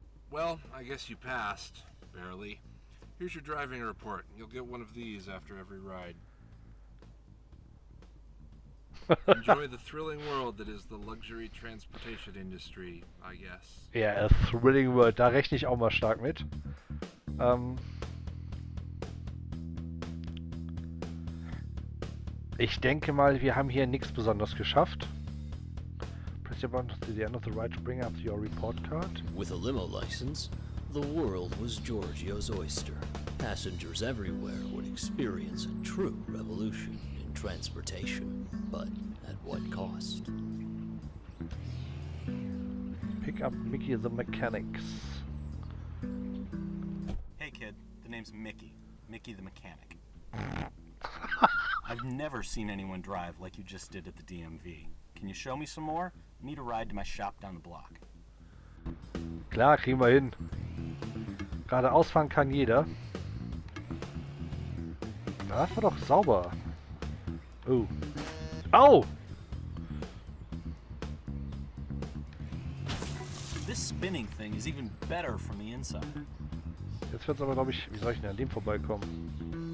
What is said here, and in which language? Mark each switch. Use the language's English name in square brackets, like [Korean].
[English] Well, I guess you passed. Barely. Here's your driving report. You'll get one of these after every ride. Enjoy the thrilling world that is the luxury transportation industry, I guess. Yeah, a thrilling world. [German] Da rechne ich auch mal stark mit. Ich denke mal, wir haben hier nichts besonders geschafft. [English] Press your button to the end of the ride to bring up your report card. With a limo license, the world was Giorgio's oyster. Passengers everywhere would experience a true revolution in transportation. But at what cost? Pick up Mickey the Mechanics. Hey kid, the name's Mickey. Mickey the Mechanic. I've never seen anyone drive like you just did at the DMV. Can you show me some more? I need a ride to my shop down the block. [German] Klar, kriegen wir hin. Geradeaus fahren kann jeder. Das war doch sauber. Oh. Au! [English] This spinning thing is even better from the inside. [German] Jetzt wird's aber, glaube ich, wie soll ich denn an dem vorbeikommen?